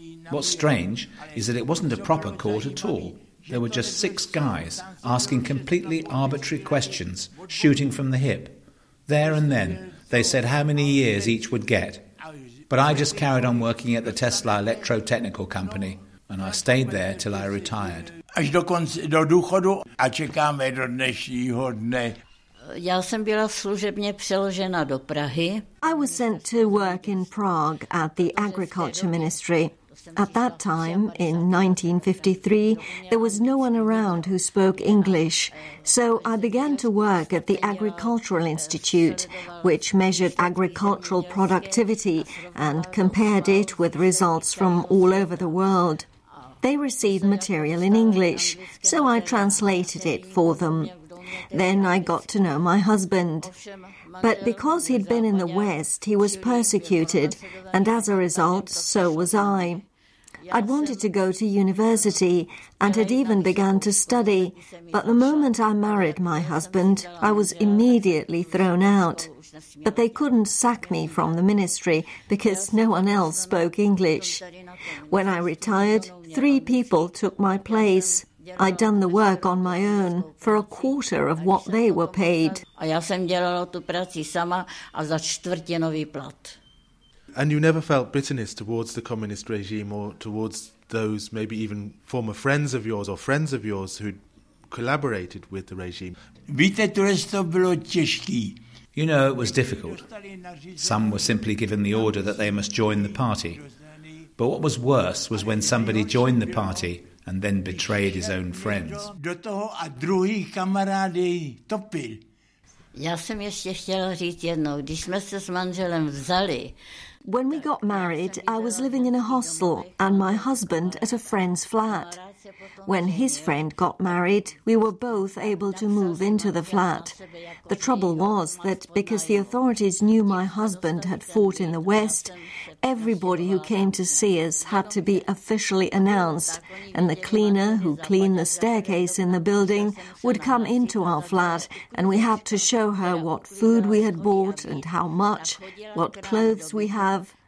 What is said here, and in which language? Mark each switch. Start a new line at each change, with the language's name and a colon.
English: What's strange is that it wasn't a proper court at all. There were just six guys asking completely arbitrary questions, shooting from the hip. There and then, they said how many years each would get. But I just carried on working at the Tesla Electrotechnical Company, and I stayed there till I retired.
Czech: Až do konce do důchodu a čekáme do dnešního dne. Já jsem byla služebně přeložena do Prahy.
English: I was sent to work in Prague at the Agriculture Ministry. At that time, in 1953, there was no one around who spoke English. So I began to work at the Agricultural Institute, which measured agricultural productivity and compared it with results from all over the world. They received material in English, so I translated it for them. Then I got to know my husband. But because he'd been in the West, he was persecuted, and as a result, so was I. I'd wanted to go to university and had even begun to study, but the moment I married my husband, I was immediately thrown out. But they couldn't sack me from the ministry because no one else spoke English. When I retired, three people took my place. I'd done the work on my own for a quarter of what they were paid.
Czech: A já jsem dělala tu práci sama a za čtvrtinový plat.
English: And you never felt bitterness towards the communist regime or towards those maybe even former friends of yours or friends of yours who collaborated with the regime?
Czech: Víte, to bylo těžké.
English: You know, it was difficult. Some were simply given the order that they must join the party. But what was worse was when somebody joined the party and then betrayed his own friends.
Czech: Do toho a druhý kamarády topil. Já jsem ještě chtěla říct jednou, když jsme se s manželem vzali.
English: When we got married, I was living in a hostel and my husband at a friend's flat. When his friend got married, we were both able to move into the flat. The trouble was that because the authorities knew my husband had fought in the West, everybody who came to see us had to be officially announced, and the cleaner who cleaned the staircase in the building would come into our flat, and we had to show her what food we had bought and how much, what clothes we have.